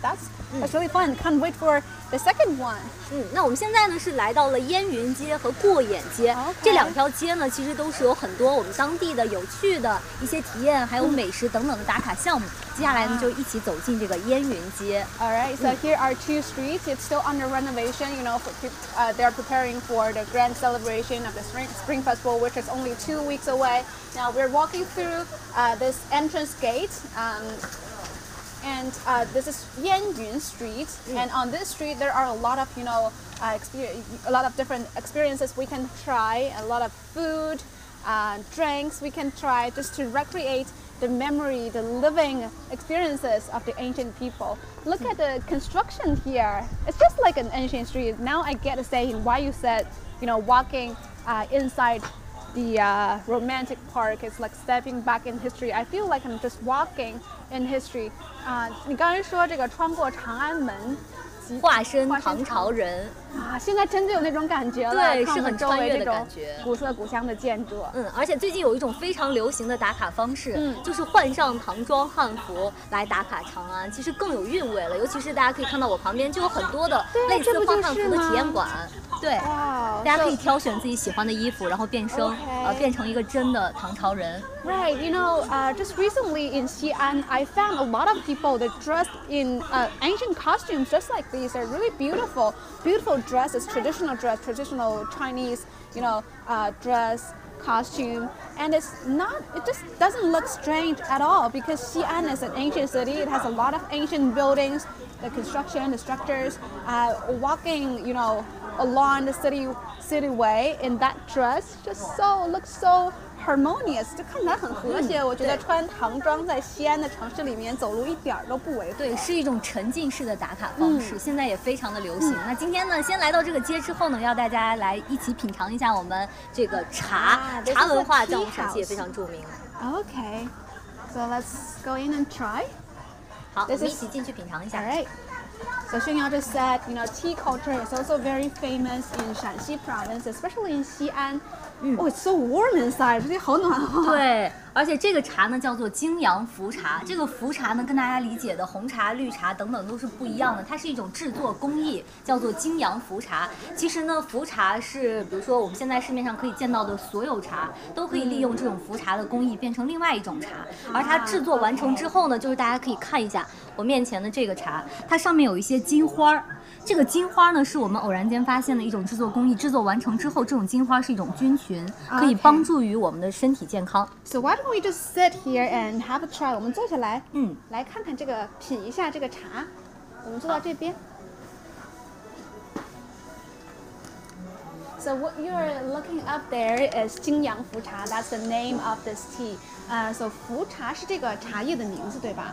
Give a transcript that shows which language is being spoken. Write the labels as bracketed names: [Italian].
[English] That's really fun. Can't wait for the second one. [Chinese] 那我们现在呢是来到了烟云街和过眼街。 [English] Okay. [Chinese] 这两条街呢其实都是有很多我们当地的有趣的一些体验还有美食等等的打卡项目。接下来呢就一起走进这个烟云街。 [English] All right, so here are two streets. It's still under renovation, you know, they're preparing for the grand celebration of the Spring Festival, which is only 2 weeks away. Now we're walking through this entrance gate. And this is Yanyun Street, and on this street there are a lot of, you know, a lot of different experiences we can try, a lot of food, drinks we can try, just to recreate the memory, the living experiences of the ancient people. Look at the construction here. It's just like an ancient street. Now I get to say why you said, you know, walking inside the romantic park is like stepping back in history. I feel like I'm just walking in history. [Chinese] 你刚才说这个穿过长安门，化身唐朝人啊，现在真的有那种感觉了。对，是很穿越的感觉，古色古香的建筑。而且最近有一种非常流行的打卡方式，就是换上唐装汉服来打卡长安，其实更有韵味了。尤其是大家可以看到我旁边就有很多的类似换汉服的体验馆。对，哇，大家可以挑选自己喜欢的衣服，然后变身，变成一个真的唐朝人。 [English] Right, you know, just recently in Xi'an, I found a lot of people that dressed in ancient costumes just like these. They're really beautiful. Beautiful dresses, traditional dress, traditional Chinese, you know, dress, costume. And it just doesn't look strange at all because Xi'an is an ancient city. It has a lot of ancient buildings, the construction, the structures. Walking, you know, along the city way in that dress just looks so [Chinese] harmonious， 就看起来很和谐、嗯、我觉得穿唐装在西安的城市里面走路一点都不违和。对，是一种沉浸式的打卡方式、嗯、现在也非常的流行、嗯、那今天呢先来到这个街之后呢，要大家来一起品尝一下我们这个茶、啊、茶文化在我们城市也非常著名。 [English] OK， so let's go in and try。 [Chinese] 好，我们一起进去品尝一下。 [English] All right，So Xi'an just said, you know, tea culture is also very famous in Shaanxi province, especially in Xi'an.、嗯、oh, it's so warm inside. [Chinese] 这里好暖啊。对，而且这个茶呢叫做泾阳茯茶。这个茯茶呢跟大家理解的红茶、绿茶等等都是不一样的。它是一种制作工艺，叫做泾阳茯茶。其实呢，茯茶是比如说我们现在市面上可以见到的所有茶，都可以利用这种茯茶的工艺变成另外一种茶。而它制作完成之后呢，就是大家可以看一下我面前的这个茶，它上面有一些金花。这个金花呢是我们偶然间发现的一种制作工艺，制作完成之后这种金花是一种菌群，可以帮助于我们的身体健康。 [English] So why don't we just sit here and have a try。 [Chinese] 我们坐下来，嗯，来看看这个，品一下这个茶。我们坐到这边。 [English] So what you're looking up there is 泾阳茯茶， that's the name of this tea。 [Chinese] So 茯茶是这个茶叶的名字对吧？